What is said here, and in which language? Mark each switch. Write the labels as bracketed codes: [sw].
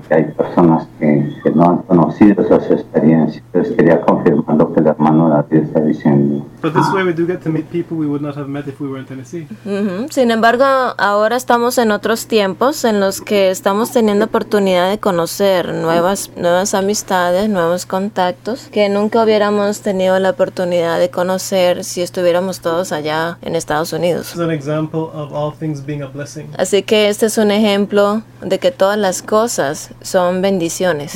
[es] Que hay personas que no han conocido esas experiencias. Entonces quería confirmar lo que el hermano David está diciendo. [en] But this way we do get to meet people we would not have met if we were in Tennessee. [es] Sin embargo, ahora estamos en otros tiempos en los que estamos teniendo oportunidad de conocer nuevas amistades, nuevos contactos que nunca hubiéramos tenido la oportunidad de conocer si estuviéramos todos allá en Estados Unidos. [en] This is an example of all things being a blessing. [es] Así que este es un ejemplo de que todas las cosas son bendiciones.